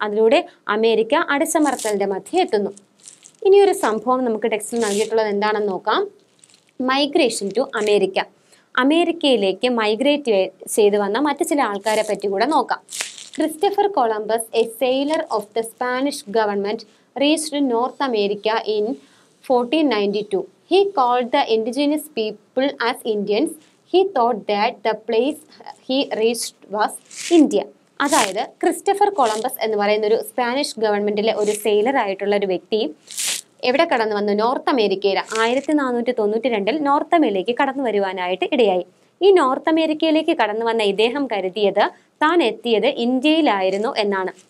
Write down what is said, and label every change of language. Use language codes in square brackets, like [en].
[ml] അതിലൂടെ അമേരിക്ക അടിച്ചമർത്തലിൻ്റെ മധ്യേ എത്തുന്നു. ഇനിയൊരു സംഭവം നമുക്ക് ടെക്സ്റ്റിൽ നൽകിയിട്ടുള്ളത് എന്താണെന്ന് നോക്കാം. Migration to America. അമേരിക്കയിലേക്ക് മൈഗ്രേറ്റ് ചെയ്തു വന്ന മറ്റ് ചില ആൾക്കാരെ പറ്റി കൂടെ നോക്കാം. [en] Christopher Columbus a sailor of the Spanish government reached North America in 1492. He called the indigenous people as Indians. He thought that the place he reached was India. [ml] അതായത് ക്രിസ്റ്റഫർ കൊളംബസ് എന്ന് പറയുന്ന ഒരു സ്പാനിഷ് ഗവൺമെൻറ്റിലെ ഒരു sailor ആയിട്ടുള്ള ഒരു വ്യക്തി എവിടെ കടന്നു വന്നു, നോർത്ത് അമേരിക്കയിൽ 1492 നോർത്ത് അമേരിക്കയിലേക്ക് കടന്നു വരുവാനായിട്ട് ഇടയായി. ഈ നോർത്ത് അമേരിക്കയിലേക്ക് കടന്നു വന്ന ഇദ്ദേഹം കരുതിയത് താൻ എത്തിയത് ഇന്ത്യയിലായിരുന്നു എന്നാണ്.